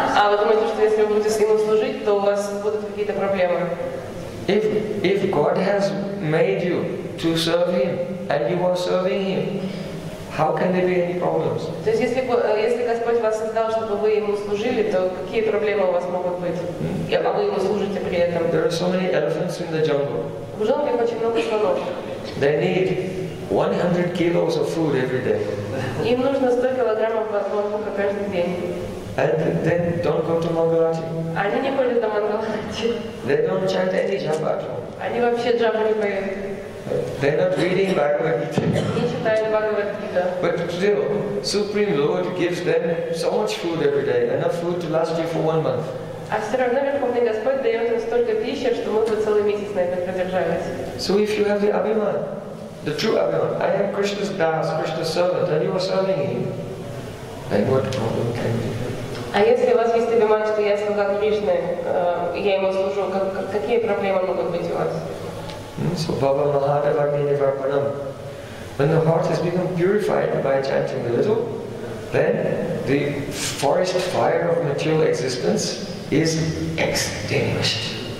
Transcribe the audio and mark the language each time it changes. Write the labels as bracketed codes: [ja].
[ru] Вы думаете, что если вы будете с ним служить, то у вас будут какие-то проблемы? [en] If God has made you to serve him and you are serving him, how can there be any problems? [ru] То есть если Господь вас создал, чтобы вы ему служили, то какие проблемы у вас могут быть? Я могу ему служить при этом? [en] There are so many elephants in the jungle. [ru] В джунглях очень много слонов. [en] They need 100 kilos of food every day. [ru] Им нужно 100 килограммов воздуха каждый день. [en] And then don't go to Mangalati. [ru] Они не ходят на Мангалати. [en] They don't chant any japa. [ru] Они вообще джапу не поют. [en] They're not reading Bhagavad Gita. [ru] Не читают Бхагавад Гита. [en] But still, Supreme Lord gives them so much food every day, enough food to last you for 1 month. [ru] А все равно Верховный Господь дает им столько пищи, что мы бы целый месяц на этом продержались. [en] So if you have the Abhiman, the true Abhiman, I am Krishna's das, Krishna's servant, and you are serving him, then what problem can be? [ru] А если у вас есть обиман, что я слуга Кришны, я ему служу, какие проблемы могут быть у вас? So Baba Mahadeva Gini Varpanam. [en] When the heart has become purified by chanting a little, then the forest fire of material existence is extinguished.